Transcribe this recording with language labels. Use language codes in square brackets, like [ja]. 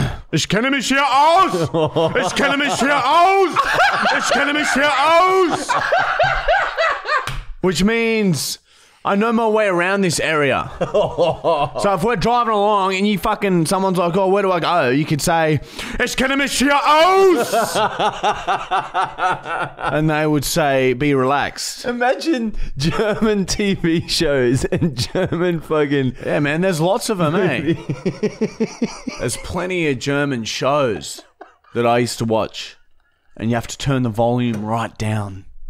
[de] Ich kenne mich hier aus. Ich kenne mich hier aus. Ich kenne mich hier aus. [en] Which means I know my way around this area. So if we're driving along and you fucking someone's like, oh, where do I go? You could say, [de] ich kenne mich hier aus. [en] And they would say, be relaxed. Imagine German TV shows and German fucking... Yeah, man, there's lots of them, eh? There's plenty of German shows that I used to watch. And you have to turn the volume right down.